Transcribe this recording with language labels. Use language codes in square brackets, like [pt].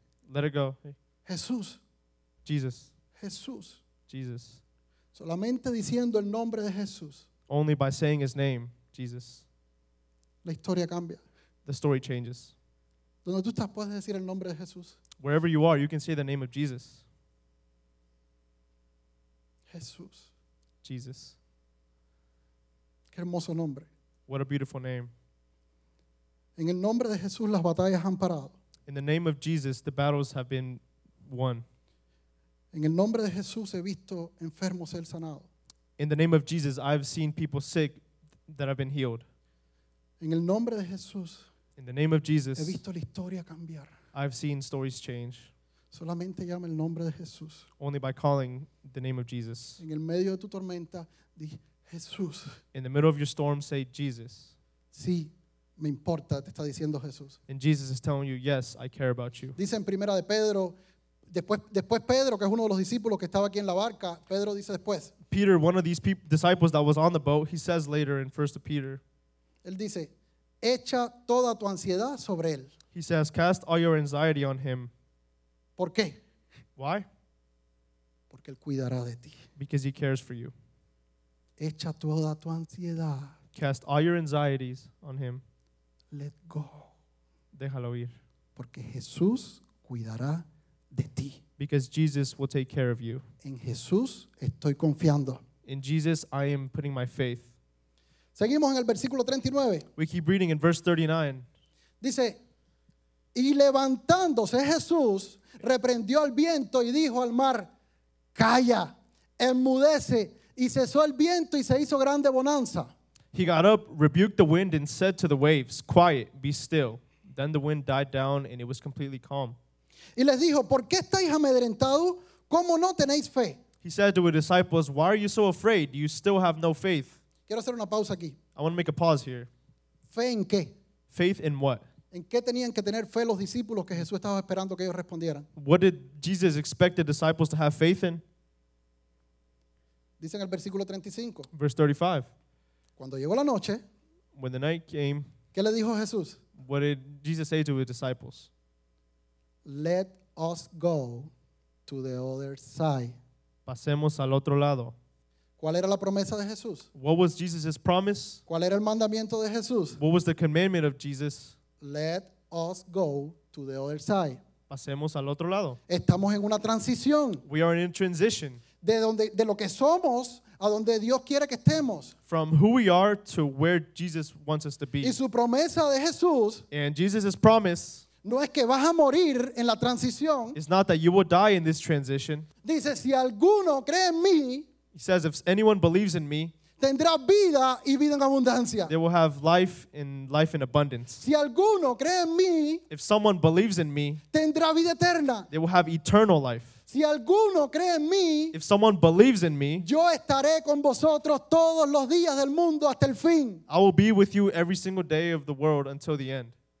[en] Let it go. [es] Jesús. [en] Jesus. [es] Jesús. [en] Jesus. [es] Solamente diciendo el nombre de Jesús. [en] Only by saying his name, Jesus. [es] La historia cambia. [en] The story changes. [es] Donde tú estás, puedes decir el nombre de Jesús. [en] Wherever you are, you can say the name of Jesus. Jesus. [es] Qué hermoso nombre. [en] What a beautiful name. [es] En el nombre de Jesús, las batallas han parado. [en] In the name of Jesus, the battles have been won. [es] En el nombre de Jesús, he visto enfermos ser sanados. [en] In the name of Jesus, I've seen people sick that have been healed. [es] En el nombre de Jesús, [en] in the name of Jesus, [es] he visto la historia cambiar. [en] I've seen stories change. [es] Solamente llama el nombre de Jesús. [en] Only by calling the name of Jesus. [es] En el medio de tu tormenta, di Jesús. [en] In the middle of your storm, say Jesus. [es] Sí, me importa, te está diciendo Jesús. [en] And Jesus is telling you, yes, I care about you. [es] Dice en primera de Pedro, después Pedro, que es uno de los discípulos que estaba aquí en la barca, Pedro dice después. [en] Peter, one of these disciples that was on the boat, he says later in 1 Peter. [es] Él dice, echa toda tu ansiedad sobre él. [en] He says, cast all your anxiety on him. [es] ¿Por qué? [en] Why? [es] Porque él cuidará de ti. [en] Because he cares for you. [es] Echa toda tu ansiedad. [en] Cast all your anxieties on him. Let go. [es] Déjalo ir. Porque Jesús cuidará de ti. [en] Because Jesus will take care of you. [es] En Jesús estoy confiando. [en] In Jesus I am putting my faith. [es] Seguimos en el versículo 39. [en] We keep reading in verse 39. [es] Dice, y levantándose Jesús, reprendió al viento y dijo al mar, calla, enmudece, y cesó el viento y se hizo grande bonanza. [en] He got up, rebuked the wind, and said to the waves, quiet, be still. Then the wind died down, and it was completely calm. [es] Y les dijo, ¿por qué estáis amedrentados? ¿Cómo no tenéis fe? [en] He said to his disciples, why are you so afraid? You still have no faith. [es] Quiero hacer una pausa aquí. [en] I want to make a pause here. [es] ¿Fe en qué? [en] Faith in what? [es] ¿En qué tenían que tener fe los discípulos que Jesús estaba esperando que ellos respondieran? [en] What did Jesus expect the disciples to have faith in? [es] Dicen el versículo 35. [en] Verse 35. [es] Cuando llegó la noche. [en] When the night came. [es] ¿Qué le dijo Jesús? [en] What did Jesus say to his disciples? Let us go to the other side. [es] Pasemos al otro lado. ¿Cuál era la promesa de Jesús? [en] What was Jesus' promise? [es] ¿Cuál era el mandamiento de Jesús? [en] What was the commandment of Jesus? Let us go to the other side. [es] Pasemos al otro lado. Estamos en una transición. [en] We are in transition. [es] De lo que somos a donde Dios quiere que estemos. [en] From who we are to where Jesus wants us to be. [es] Y su promesa de Jesús. [en] And Jesus' promise. [es] No es que vas a morir en la transición. [en] It's not that you will die in this transition. [es] Dice, si alguno cree en mí, [en] he says, if anyone believes in me, [es] tendrá vida y vida en abundancia. [en] They will have life and life in abundance. [es] Si alguno cree en mí, [en] if someone believes in me, [es] tendrá vida eterna. [en] They will have eternal life. [es] Si alguno cree en mí, [en] if someone believes in me, [es] yo estaré con vosotros todos los días del mundo hasta el fin. [en] I will be with you every single day of the world until the end.